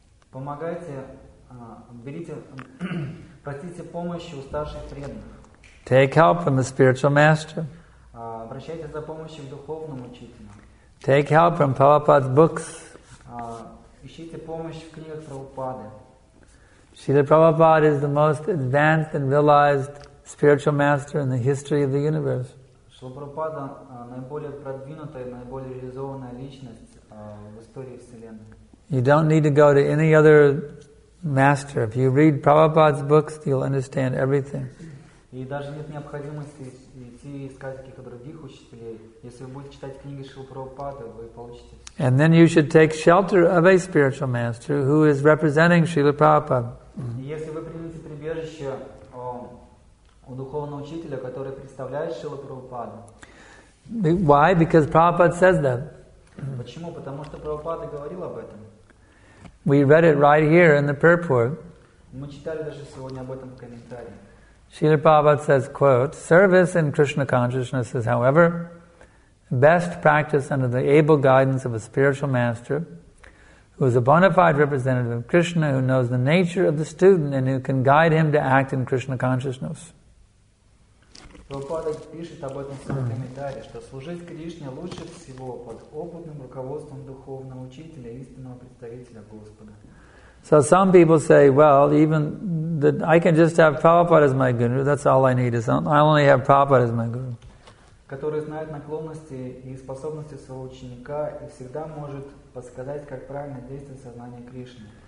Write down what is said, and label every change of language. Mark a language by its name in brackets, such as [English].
[Russian] Помогайте, берите, простите помощи у старших преданных. [English] Take help from the spiritual master. [Russian] Обращайтесь за помощью к духовному учителю. [English] Take help from Prabhupada's books. [Russian] Ищите помощь в книгах Прабхупады. [English] Srila Prabhupada is the most advanced and realized spiritual master in the history of the universe. [Russian] Srila Prabhupada наиболее продвинутая, наиболее реализованная личность в истории Вселенной. [English] You don't need to go to any other master. If you read Prabhupada's books, you'll understand everything. [Russian] И даже нет необходимости идти искать каких-то других учителей. Если вы будете читать книги Шрилы Прабхупады, вы получите. [English] And then you should take shelter of a spiritual master who is representing Srila Prabhupada. [Russian] И если вы примете прибежище у духовного учителя, который представляет Шрилу Прабхупаду. [English] Why? Because Prabhupada says that. [Russian] Почему? Потому что Прабхупада говорил об этом. [English] We read it right here in the purport. [Russian] Мы читали даже сегодня об этом в комментарии. [English] Srila Prabhupada says, quote, service in Krishna consciousness is, however, best practice under the able guidance of a spiritual master who is a bona fide representative of Krishna, who knows the nature of the student and who can guide him to act in Krishna consciousness. [Russian] Prabhupada пишет об этом в своем комментарии, что служить Кришне лучше всего под опытным руководством духовного учителя, истинного представителя Господа. [English] So some people say, well, even that I can just have Prabhupada as my guru, that's all I need, is I only have Prabhupada as my guru. [Russian] Который знает наклонности и способности своего ученика и всегда может подсказать, как правильно действовать в сознании Кришны.